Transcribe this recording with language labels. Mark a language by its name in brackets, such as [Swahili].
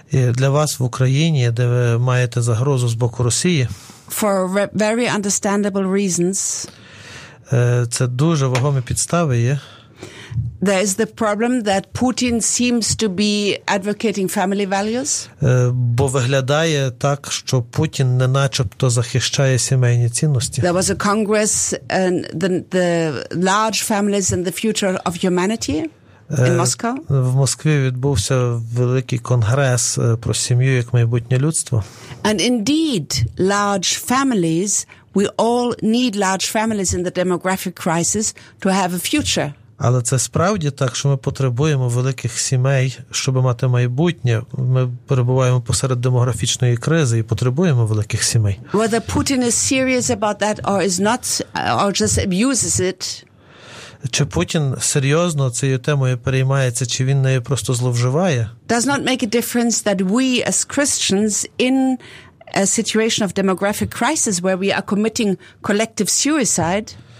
[Ukrainian] Для вас в Україні, де ви маєте загрозу з боку Росії? [English] For very understandable reasons. [Ukrainian] Це дуже вагомі підстави є. [English] There is the problem that Putin seems to be advocating family values. [Ukrainian] Бо виглядає так, що Путін не начебто захищає сімейні цінності. [English] There was a congress and the large families and the future of humanity in Moscow. [Ukrainian] В Москві відбувся великий конгрес про сім'ю як майбутнє людство. [English] And indeed, large families, we all need large families in the demographic crisis to have a future. [Ukrainian] Але це справді так, що ми потребуємо великих сімей, щоб мати майбутнє. Ми перебуваємо посеред демографічної кризи і потребуємо великих сімей. [English] Whether Putin is serious about that or is not, or just abuses it. [Ukrainian] Чи Путін серйозно цією темою переймається, чи він нею просто зловживає? [English] Does not make a difference that we as Christians in a situation of demographic crisis where we are committing collective suicide.